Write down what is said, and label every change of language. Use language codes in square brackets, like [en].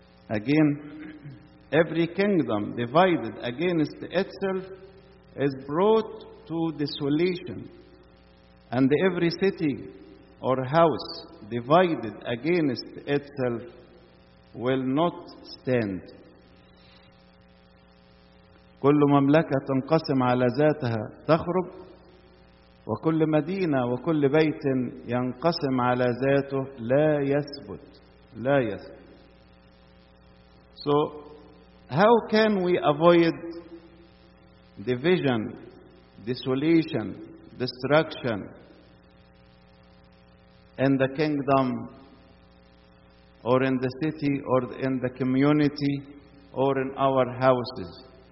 [en] Again, every kingdom divided against itself is brought to desolation. And every city or house divided against itself will not stand. [ar] كل مملكة تنقسم على ذاتها تخرب وكل مدينة وكل بيت ينقسم على ذاته لا يثبت لا يثبت. [en] So how can we avoid division, desolation, destruction in the kingdom, or in the city, or in the community, or in our houses?